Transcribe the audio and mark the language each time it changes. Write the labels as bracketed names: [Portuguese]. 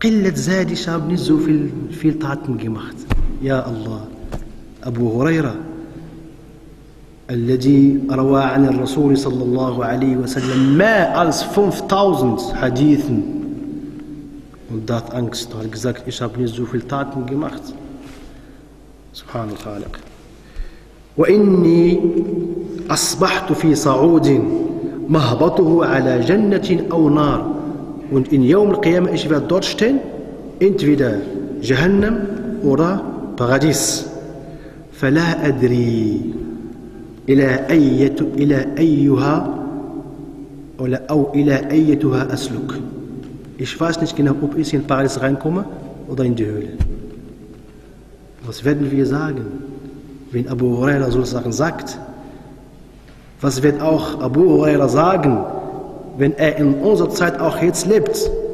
[German] Qillat zadi, ich habe nicht so viel Taten gemacht. Ja Allah, Abu Huraira. [Arabic] الذي روى عن الرسول صلى الله عليه وسلم ما [German] als 5000 حديثن und hat Angst, hat gesagt, ich habe nicht so viel Taten gemacht. [Arabic] سبحان الخالق. وإني أصبحت في صعود مهبطه على جنة أو نار. [German] Und in يوم القيامة ich werde dort stehen, entweder جهنم oder Paradies. [Arabic] فلا أدري إلى أيها أو إلى أيتها أسلك. [German] Ich weiß nicht genau, ob ich in Paris reinkomme oder in die Höhle. Was werden wir sagen, wenn Abu Huraira sozusagen sagt? Was wird auch Abu Huraira sagen, wenn er in unserer Zeit auch jetzt lebt?